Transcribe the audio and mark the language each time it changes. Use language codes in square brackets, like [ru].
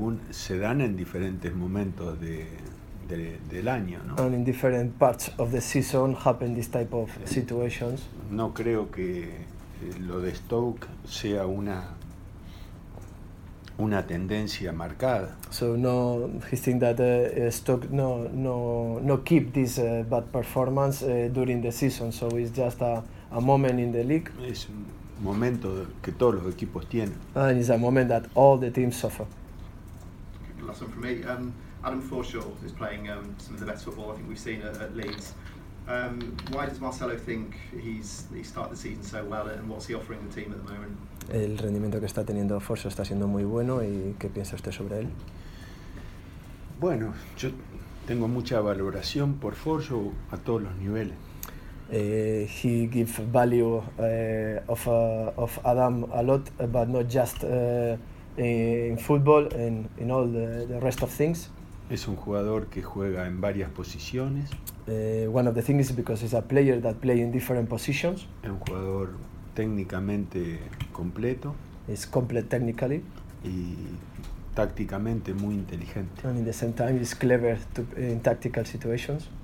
[es] Se dan en diferentes momentos del año, ¿no? [en] And in different parts of the season happen this type of situations. [es] No creo que lo de Stoke sea una tendencia marcada. [en] So no, he think that Stoke no keep this bad performance during the season. So it's just a moment in the league. [es] Es un momento que todos los equipos tienen. [en] And it's a moment that all the teams suffer. Okay, last one from me. Adam Forshaw is playing some of the best football I think we've seen at Leeds. Why does Marcelo think he started the season so well, and what's he offering the team at the moment? [es] El rendimiento que está teniendo Forso está siendo muy bueno, ¿y qué piensa usted sobre él? Bueno, yo tengo mucha valoración por Forso a todos los niveles. [en] He gives value of Adam a lot, but not just in football and in all the rest of things. [es] Es un jugador que juega en varias posiciones. [en] One of the things is because he's a player that plays in different positions. [es] Es un jugador técnicamente completo. [en] Is complete technically. [es] Y tácticamente muy inteligente. [en] And in the same time, is clever in tactical situations.